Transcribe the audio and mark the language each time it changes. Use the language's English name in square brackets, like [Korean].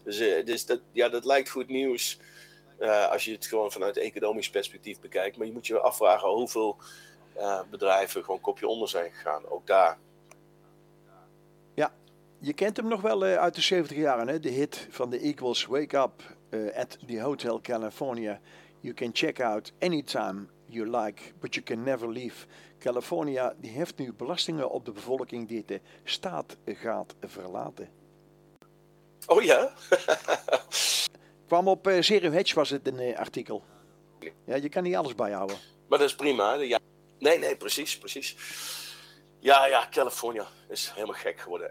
[Dutch] Dus dat lijkt goed nieuws als je het gewoon vanuit economisch perspectief bekijkt. Maar je moet je afvragen hoeveel bedrijven gewoon kopje onder zijn gegaan, ook daar. Ja, je kent hem nog wel uit de 70 jaren, hè? De hit van de Eagles, Wake Up at the Hotel California. [English] You can check out anytime you like, but you can never leave. [Dutch] California die heeft nu belastingen op de bevolking die de staat gaat verlaten. Oh ja? Kwam op Serum Hedge was het een artikel. Ja, je kan niet alles bijhouden. Maar dat is prima. Ja. Nee, precies, precies. Ja, California is helemaal gek geworden.